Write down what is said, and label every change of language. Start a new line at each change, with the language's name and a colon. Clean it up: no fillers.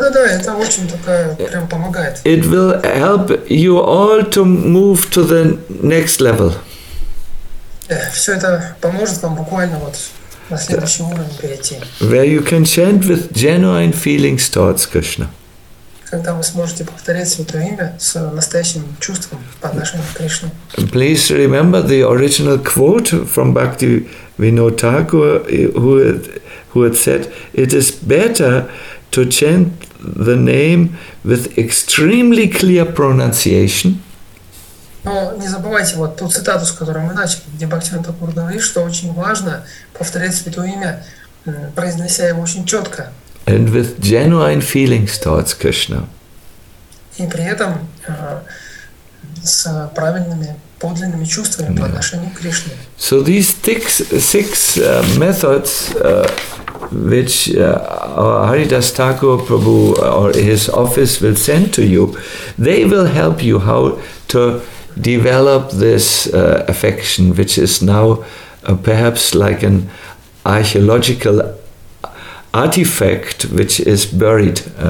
Russian: Это очень такая прям помогает.
English: It will help you all to move to the next level.
Russian: Все это поможет вам буквально вот.
English: Where you can chant with genuine feelings towards Krishna.
Russian: Когда вы сможете повторять Святое Имя с настоящим чувством по отношению к Кришне.
English: Please remember the original quote from Bhakti Vinod Thakur, who had said, "It is better to chant the name with extremely clear pronunciation."
Russian: Но не забывайте вот ту цитату, с которой мы начали, где Бхактивинода Тхакур говорит, что очень важно повторять Святое Имя, произнося его очень четко.
English: And with genuine feelings towards Krishna.
Russian: И при этом с правильными, подлинными чувствами по отношению к Кришне.
English: So these six methods, which Haridas Thakur Prabhu or his office will send to you, they will help you how to develop this affection, which is now perhaps like an archaeological artifact, which is buried.